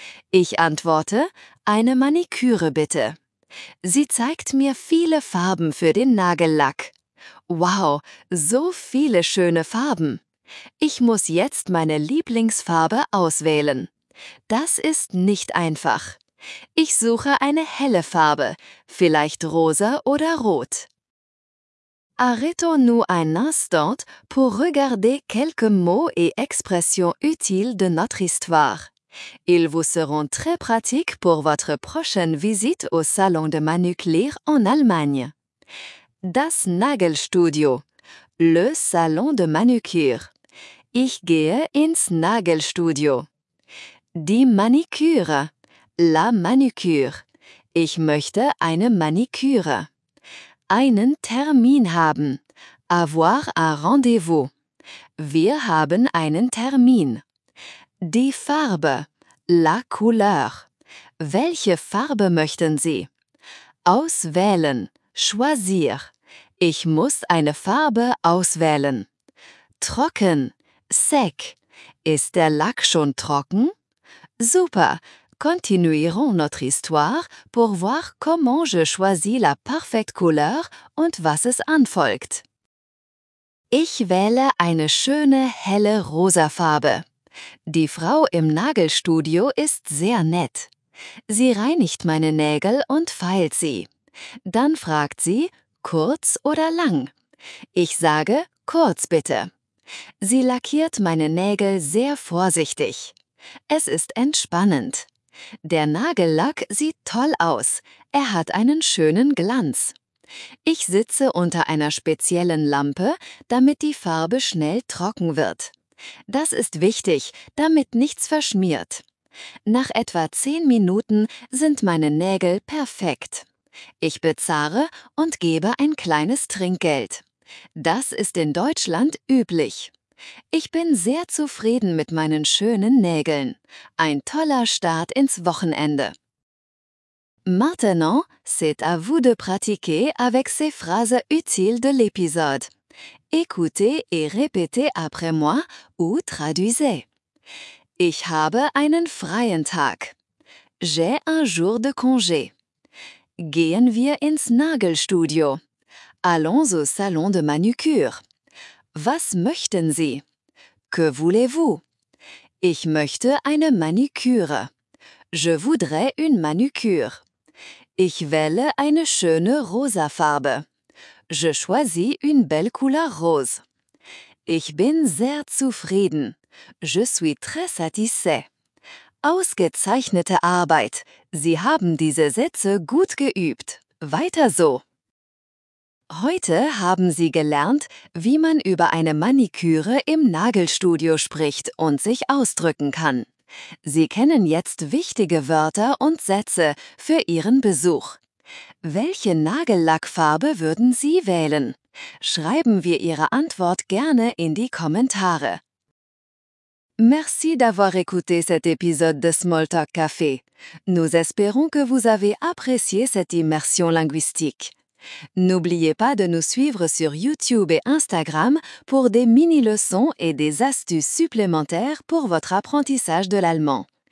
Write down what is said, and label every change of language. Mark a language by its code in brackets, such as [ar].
[de] Ich antworte, eine Maniküre bitte. Sie zeigt mir viele Farben für den Nagellack. Wow, so viele schöne Farben! Ich muss jetzt meine Lieblingsfarbe auswählen. Das ist nicht einfach. Ich suche eine helle Farbe, vielleicht rosa oder rot. [fr] Arrêtons-nous un instant pour regarder quelques mots et expressions utiles de notre histoire. Ils vous seront très pratiques pour votre prochaine visite au Salon de Manucure en Allemagne. [de] Das Nagelstudio. [fr] Le Salon de Manucure. [de] Ich gehe ins Nagelstudio. Die Maniküre. La Maniküre. Ich möchte eine Maniküre. Einen Termin haben. [fr] Avoir un rendez-vous. [de] Wir haben einen Termin. Die Farbe. [fr] La couleur. [de] Welche Farbe möchten Sie? Auswählen. Choisir. Ich muss eine Farbe auswählen. Trocken. Sec. Ist der Lack schon trocken? Super. [fr] Continuerons notre histoire pour voir comment je choisis la parfaite couleur [de] und was es anfolgt. Ich wähle eine schöne, helle rosa Farbe. Die Frau im Nagelstudio ist sehr nett. Sie reinigt meine Nägel und feilt sie. Dann fragt sie, kurz oder lang? Ich sage, kurz bitte. Sie lackiert meine Nägel sehr vorsichtig. Es ist entspannend. Der Nagellack sieht toll aus. Er hat einen schönen Glanz. Ich sitze unter einer speziellen Lampe, damit die Farbe schnell trocken wird. Das ist wichtig, damit nichts verschmiert. Nach etwa 10 Minuten sind meine Nägel perfekt. Ich bezahle und gebe ein kleines Trinkgeld. Das ist in Deutschland üblich. Ich bin sehr zufrieden mit meinen schönen Nägeln. Ein toller Start ins Wochenende. [fr] Maintenant, c'est à vous de pratiquer avec ces phrases utiles de l'épisode. Écoutez et répétez après moi ou traduisez. [de] Ich habe einen freien Tag. [fr] J'ai un jour de congé. [de] Gehen wir ins Nagelstudio. [fr] Allons au salon de manucure. [de] Was möchten Sie? [fr] Que voulez-vous? [de] Ich möchte eine Maniküre. [fr] Je voudrais une manucure. [de] Ich wähle eine schöne rosa Farbe. [fr] Je choisis une belle couleur rose. [de] Ich bin sehr zufrieden. [fr] Je suis très satisfait. [de] Ausgezeichnete Arbeit. Sie haben diese Sätze gut geübt. Weiter so. Heute haben Sie gelernt, wie man über eine Maniküre im Nagelstudio spricht und sich ausdrücken kann. Sie kennen jetzt wichtige Wörter und Sätze für Ihren Besuch. Welche Nagellackfarbe würden Sie wählen? Schreiben wir Ihre Antwort gerne in die Kommentare. [fr] Merci d'avoir écouté cet épisode de Small Talk Café. Nous espérons que vous avez apprécié cette immersion linguistique. N'oubliez pas de nous suivre sur YouTube et Instagram pour des mini-leçons et des astuces supplémentaires pour votre apprentissage de l'allemand.